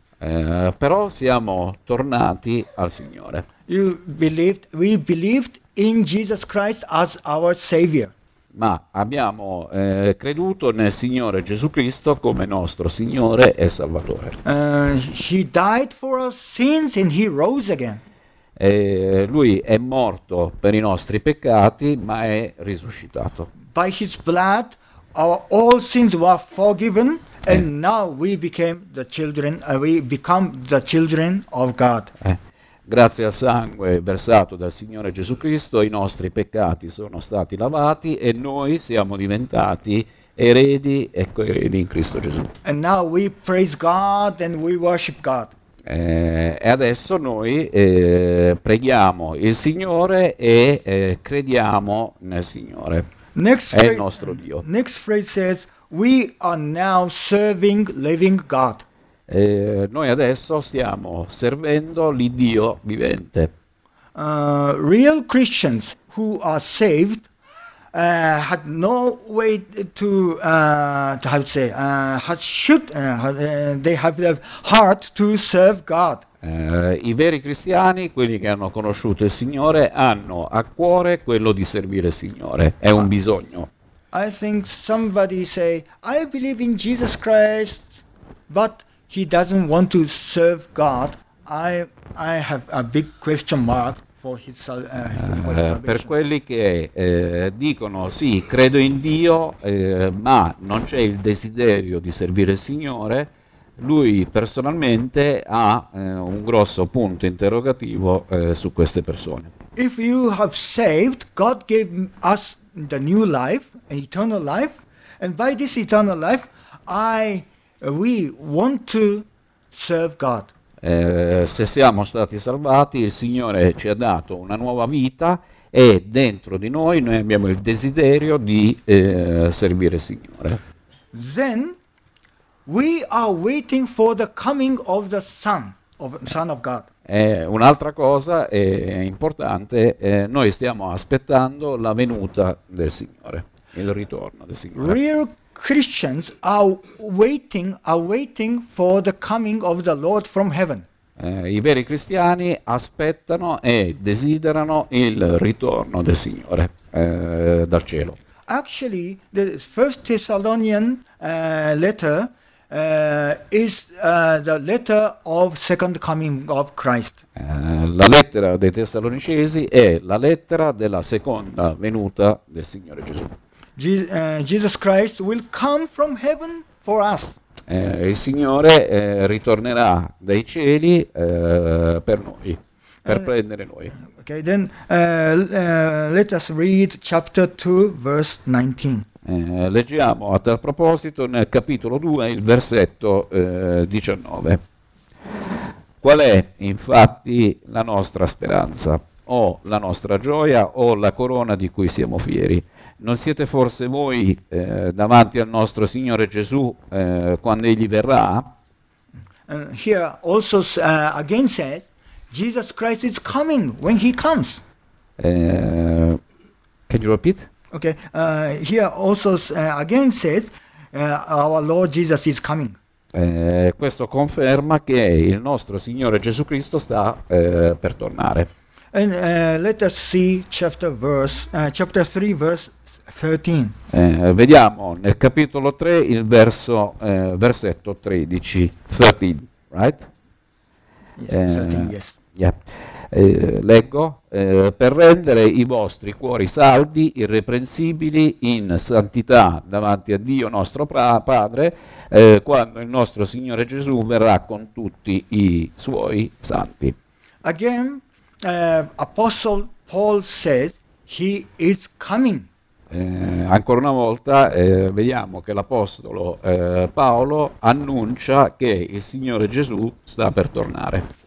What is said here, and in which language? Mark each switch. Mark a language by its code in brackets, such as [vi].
[it] Però siamo tornati al Signore. [en] We believed in Jesus Christ as our Savior. [it] Ma abbiamo creduto nel Signore Gesù Cristo come nostro Signore e Salvatore. [en] He died for our sins and he rose again. [it] Lui è morto per i nostri peccati, ma è risuscitato. [en] By his blood our all sins were forgiven and now we became the children we become the children of God. [it] Grazie al sangue versato dal Signore Gesù Cristo, i nostri peccati sono stati lavati e noi siamo diventati eredi e coeredi in Cristo Gesù. [en] And now we praise God and we worship God. [it] E adesso noi preghiamo il Signore e crediamo nel Signore. Il nostro Dio. [en] Next phrase says, we are now serving living God. [it] Noi adesso stiamo servendo l'Iddio vivente. [en] Real Christians who are saved had no way to how to say they have the heart to serve God. [it] I veri cristiani, quelli che hanno conosciuto il Signore, hanno a cuore quello di servire il Signore. È un bisogno. [en] I think somebody say I believe in Jesus Christ, but he doesn't want to serve God. I have a big question mark for his salvation. [it] Per quelli che dicono sì, credo in Dio, ma non c'è il desiderio di servire il Signore, lui personalmente ha un grosso punto interrogativo su queste persone. [en] If you have saved, God gave us the new life, an eternal life, and by this eternal life, we want to serve God. [it] Se siamo stati salvati, il Signore ci ha dato una nuova vita e dentro di noi noi abbiamo il desiderio di servire il Signore. [en] Then we are waiting for the coming of the Son of God. [it] Un'altra cosa è importante, noi stiamo aspettando la venuta del Signore, il ritorno del Signore. [en] Christians are waiting for the coming of the Lord from heaven. [it] I veri cristiani aspettano e desiderano il ritorno del Signore dal cielo. [en] Actually, the First Thessalonian letter is the letter of second coming of Christ. [it] La lettera dei Tessalonicesi è la lettera della seconda venuta del Signore Gesù. [en] Jesus Christ will come from heaven for us. [it] Il Signore ritornerà dai cieli per noi, per prendere noi. [en] Okay, then let us read chapter 2, verse 19. [it] Leggiamo a tal proposito nel capitolo 2 il versetto 19. Qual è infatti la nostra speranza, o la nostra gioia, o la corona di cui siamo fieri? Non siete forse voi davanti al nostro Signore Gesù quando egli verrà? [en] here also again says, Jesus Christ is coming when he comes. Can you repeat? Okay. Here also again says, our Lord Jesus is coming. [it] Questo conferma che il nostro Signore Gesù Cristo sta per tornare. [en] And let us see chapter 3 verse 13. [it] Vediamo nel capitolo 3 il verso versetto 13. [en] 13, right? Yes, 13, yes. Yeah. [it] Leggo, per rendere i vostri cuori saldi, irreprensibili, in santità davanti a Dio nostro Padre, quando il nostro Signore Gesù verrà con tutti i suoi santi. [en] Again, Apostle Paul says he is coming. [it] Ancora una volta vediamo che l'Apostolo Paolo annuncia che il Signore Gesù sta per tornare.